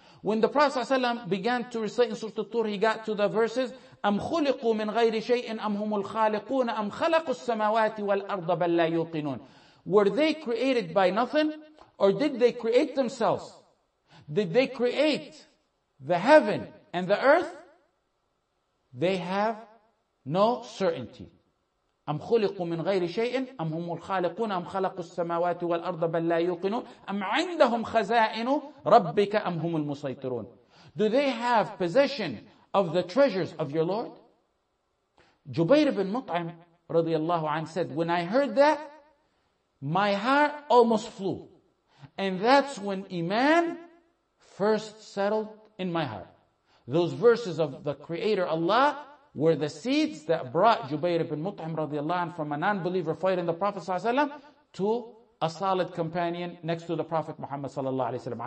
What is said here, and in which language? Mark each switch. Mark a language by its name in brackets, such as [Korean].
[English] When the Prophet ﷺ began to recite in Surah Al-Tur, he got to the verses, [Arabic] أَمْ خُلِقُوا مِنْ غَيْرِ شَيْءٍ أَمْ هُمُ الْخَالِقُونَ أَمْ خَلَقُوا السَّمَوَاتِ وَالْأَرْضَ بَلْ لَا يُوقِنُونَ. [English] Were they created by nothing? Or did they create themselves? Did they create the heaven and the earth? They have no certainty. [Arabic] أَمْ خُلِقُوا مِنْ غَيْرِ شَيْءٍ أَمْ هُمُ الْخَالِقُونَ أَمْ خَلَقُوا السَّمَاوَاتِ وَالْأَرْضَ بَلْ لَا يُوقِنُونَ أَمْ عِنْدَهُمْ خَزَائِنُ رَبِّكَ أَمْ هُمُ الْمُسَيْطِرُونَ [English] Do they have possession of the treasures of your Lord? Jubayr ibn Mut'im رضي الله عنه said, when I heard that, my heart almost flew. And that's when Iman first settled in my heart. Those verses of the Creator Allah were the seeds that brought Jubayr ibn Mut'im radiallahu anhu from a non-believer fighting the Prophet ﷺ to a solid companion next to the Prophet Muhammad sallallahu alayhi wa sallam.